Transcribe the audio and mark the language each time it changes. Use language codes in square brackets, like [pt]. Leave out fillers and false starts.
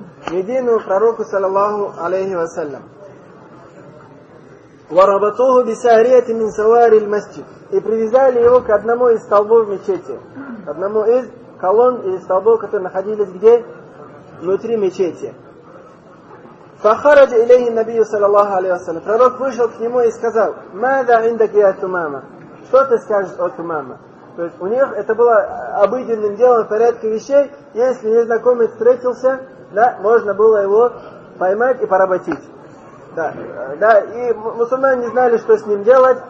[ru] Медину пророку, саллаллаху алейхи вассалям. [ar] وربطوه بسارية من سوار المسجد. [ru] И привязали его к одному из столбов мечети. Одному из колонн или столбов, которые находились где? Внутри мечети. [ar] فخرج إليه النبي صلى الله عليه وسلم. [ru] Пророк вышел к нему и сказал: [ar] ماذا عندك يا تمامة? [ru] Что ты скажешь о Тумама? То есть у них это было обыденным делом в порядке вещей. Если незнакомец встретился, да, можно было его поймать и поработить. Да, да, и мусульмане не знали, что с ним делать.